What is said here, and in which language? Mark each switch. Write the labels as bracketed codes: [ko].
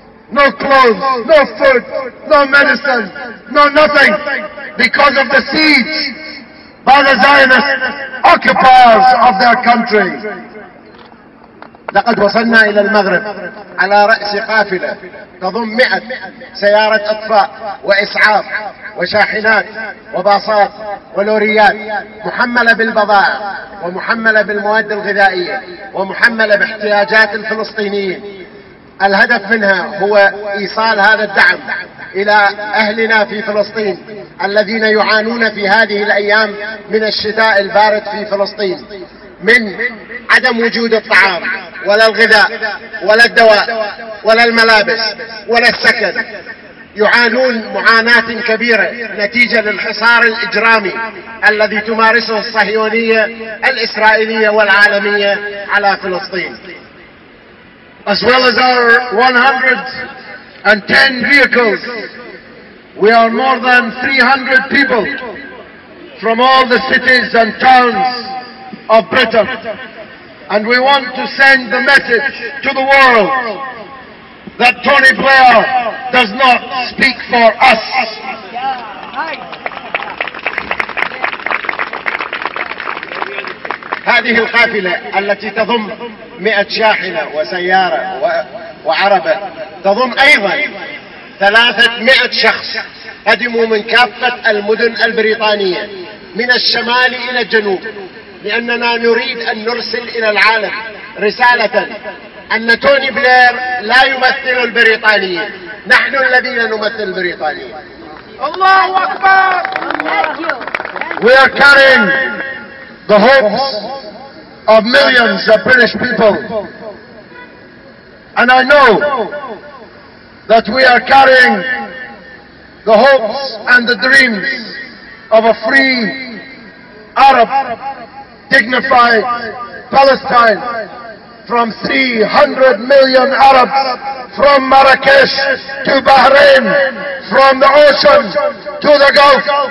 [en] No clothes, no food, no medicine, no nothing because of the siege by the Zionist occupiers of their country. [ar] لقد وصلنا إلى المغرب على رأس قافلة تضم 100 سيارة إطفاء وإسعاف وشاحنات وباصات ولوريات محملة بالبضائع ومحملة بالمواد الغذائية ومحملة باحتياجات الفلسطينيين. الهدف منها هو إيصال هذا الدعم إلى أهلنا في فلسطين الذين يعانون في هذه الأيام من الشتاء البارد في فلسطين من عدم وجود الطعام ولا الغذاء ولا الدواء ولا الملابس ولا السكن. يعانون معاناة كبيرة نتيجة للحصار الإجرامي الذي تمارسه الصهيونية الإسرائيلية والعالمية على فلسطين. [en] As well as our 110 vehicles, we are more than 300 people from all the cities and towns of Britain. And we want to send the message to the world that Tony Blair does not speak for us. [ar] هذه الحافلة التي تضم 100 شاحنة وسيارة وعربة تضم أيضا 300 شخص قدموا من كافة المدن البريطانية من الشمال إلى الجنوب، لأننا نريد أن نرسل إلى العالم رسالة أن توني بلير لا يمثل البريطانيين، نحن الذين نمثل البريطانيين. الله أكبر. [en] We are carrying the hopes of millions of British people, and I know that we are carrying the hopes and the dreams of a free Arab dignified Palestine from 300 million Arabs from Marrakesh to Bahrain, from the ocean to the Gulf.